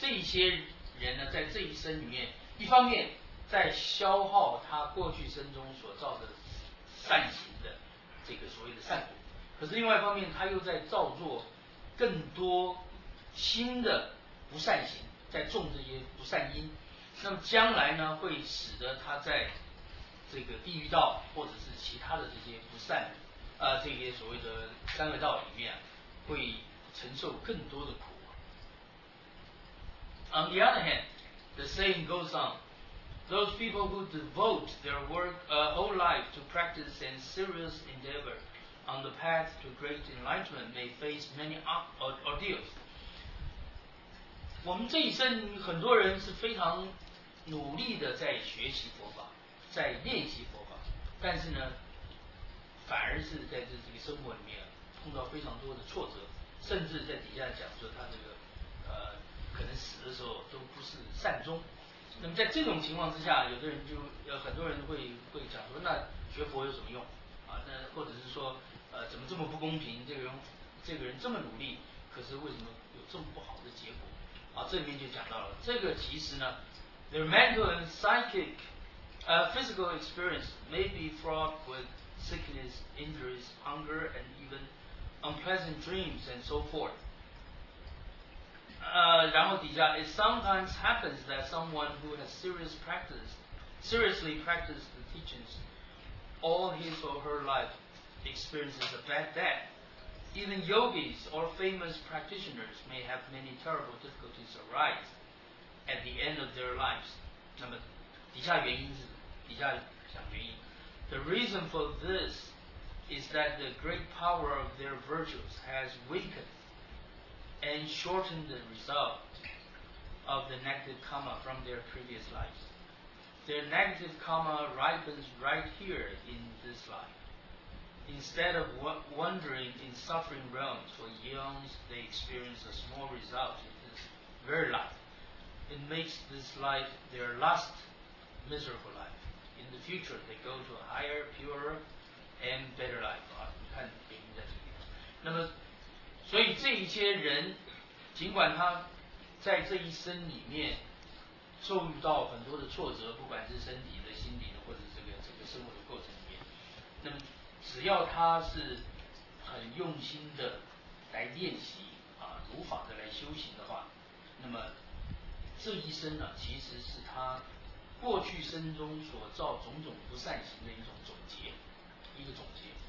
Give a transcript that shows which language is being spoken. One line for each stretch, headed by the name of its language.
Chinese: 这些人呢，在这一生里面，一方面在消耗他过去生中所造的善行的这个所谓的善果，可是另外一方面，他又在造作更多新的不善行，在种这些不善因。那么将来呢，会使得他在这个地狱道或者是其他的这些不善这些所谓的三恶道里面、会承受更多的苦。
English: On the other hand, the saying goes on, those people who devote their work whole life to practice and serious endeavor on the path to great enlightenment may face many ordeals.
Chinese: 我们这一生很多人是非常努力的在学习佛法，在练习佛法，但是呢，反而是在这个生活里面碰到非常多的挫折，甚至在底下讲说他这个可能死的时候都不是善终。那么在这种情况之下，有的人就很多人会讲说，那学佛有什么用啊？那或者是说怎么这么不公平？这个人这么努力，可是为什么有这么不好的结果？啊，这里面就讲到了这个，其实呢。
English: Their mental and psychic physical experience may be fraught with sickness, injuries, hunger, and even unpleasant dreams and so forth.
Chinese: 然后底下,
English: it sometimes happens that someone who has seriously practiced the teachings all his or her life experiences a bad death. Even yogis or famous practitioners may have many terrible difficulties arise at the end of their lives.
Chinese: 那么底下原因是底下讲原因。
English: The reason for this is that the great power of their virtues has weakened and shortened the result of the negative karma from their previous lives. Their negative karma ripens right here in this life. Instead of wandering in suffering realms for eons, they experience a small result in this very life. It makes this life their last miserable life. In the future, they go to a higher, purer, and better life.
Chinese: 啊，你看原因在这里。那么，所以这一些人，尽管他在这一生里面受遇到很多的挫折，不管是身体的、心理的，或者这个整个生活的过程里面，那么只要他是很用心的来练习啊，如法的来修行的话，那么这一生呢、啊，其实是他过去生中所造种种不善行的一种总结，一个总结。